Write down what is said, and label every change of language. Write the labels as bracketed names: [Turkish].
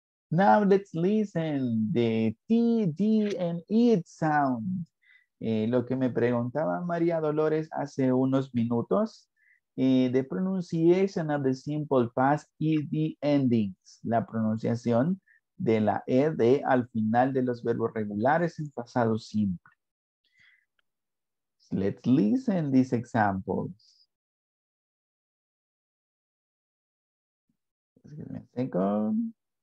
[English] Now let's listen the T, D, and E sound. [Spanish] Lo que me preguntaba María Dolores hace unos minutos. [English] The pronunciation of the simple past ED endings. [Spanish] La pronunciación de la ED al final de los verbos regulares en pasado simple. [English] Let's listen these examples. Excuse me a second.